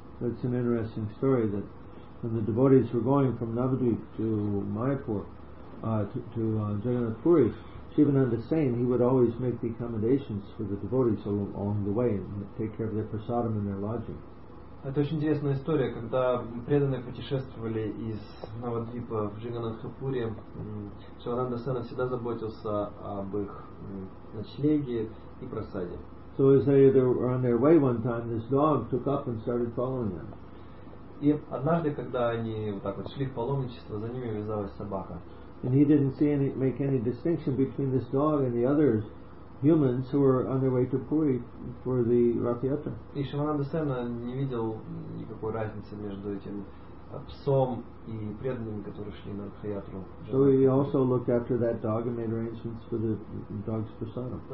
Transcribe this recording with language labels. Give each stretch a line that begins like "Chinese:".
English: It's an interesting story that when the devotees were going from Navadvip to Mayapur, to Jagannath Puri, Shivananda Sen, he would always make the accommodations for the devotees along the way and take care of their prasadam and their lodging.
Russian: Это очень интересная история, когда преданные путешествовали из Навадвипа в Джиганатхапури, Шивананда Сен всегда заботился об их ночлеге и просаде.
English: So as they were on their way one time, this dog took up and started following them.
Russian: И однажды, когда они вот так вот шли в паломничество, за ними вязалась собака.
English: And he didn't see any, make any distinction between this dog and the others. Humans who were on their way to Puri for the Rath Yatra.
Russian: И Шивананда Сен не видел никакой разницы между этим псом и преданными, которые шли на Рath Yatra.
English: So he also looked after that dog and made arrangements for the dog's prasada.